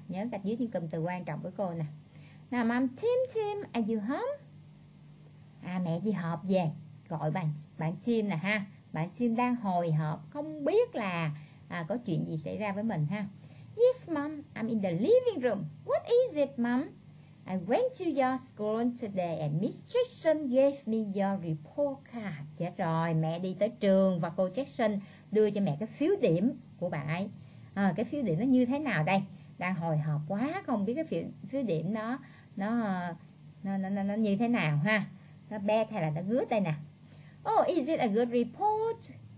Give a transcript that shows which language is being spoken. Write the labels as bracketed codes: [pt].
[vi] Nhớ gạch dưới những cụm từ quan trọng với cô nè. Nào, [en] mom, Tim Tim, are you home? [vi] À, mẹ đi họp về. Gọi bạn Tim nè ha. Bạn Tim đang hồi hộp, không biết là có chuyện gì xảy ra với mình ha. [en] Yes, mom, I'm in the living room. What is it, mom? I went to your school today and Miss Jackson gave me your report card. [vi] Dạ rồi, mẹ đi tới trường và cô Jackson đưa cho mẹ cái phiếu điểm của bạn ấy. À, cái phiếu điểm nó như thế nào đây? Đang hồi hộp quá, không biết cái phiếu điểm nó như thế nào ha. Nó bét hay là nó gứt đây nè. [en] Oh, is it a good report?